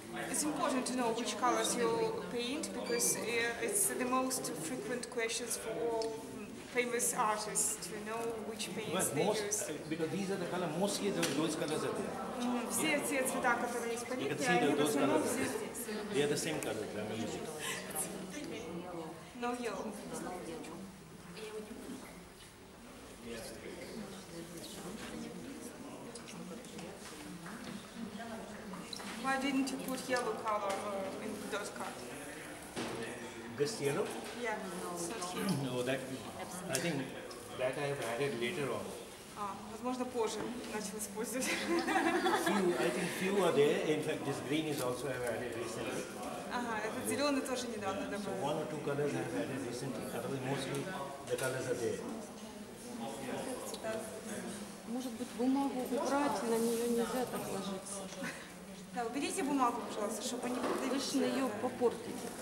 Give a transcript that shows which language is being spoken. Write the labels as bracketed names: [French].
[English] It's important to know which colors you paint because it's the most frequent questions for all famous artists to know which paints they use. Because these are the colors, mostly those colors are there. [Russian] Все эти цвета, которые есть в палитре, они в основном здесь. [English] You can see those colors. They are the same color. No yellow. Why didn't you put yellow color in the dot card? This yellow? Yeah, no. No, that I think that I have added later on. [Russian] Возможно позже начал использовать. [English] I think few are there. In fact, this green is also I have added recently. [Russian] Ага, этот зеленый тоже недавно добавил. [English] So one or two colors I have added recently. Otherwise, mostly the colors are there. [Russian] Может быть бумагу убрать, на нее нельзя так ложиться. Да, уберите бумагу, пожалуйста, чтобы не подавить. Вы же на ее попортите.